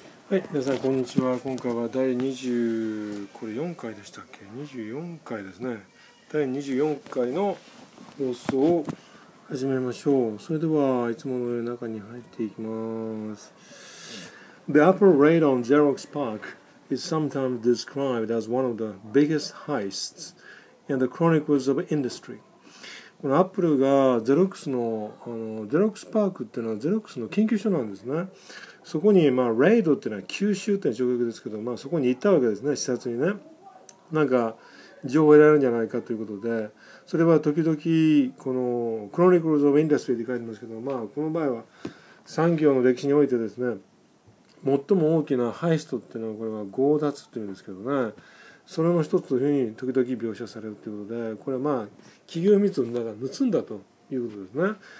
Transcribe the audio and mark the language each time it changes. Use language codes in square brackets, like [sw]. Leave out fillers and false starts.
[ja] はい、皆さんこんにちは。今回は第24回でしたっけ？ 24回ですね。第24回の放送を始めましょう。それではいつもの中に入っていきます。 [en] The upper raid on Xerox PARC is sometimes described as one of the biggest heists in the chronicles of industry。 [ja] このアップルがゼロックスの、ゼロックスパークっていうのはゼロックスの研究所なんですね。そこに、まあ、レイドっていうのは九州っていう直訳ですけど、まあ、そこに行ったわけですね、視察にね。なんか情報を得られるんじゃないかということで、それは時々このクロニクルズ・オブ・インダストリーって書いてますけど、まあ、この場合は産業の歴史においてですね、最も大きなハイストっていうのはこれは強奪っていうんですけどね、それの一つというふうに時々描写されるということで、これはまあ企業秘密の中を盗んだということですね。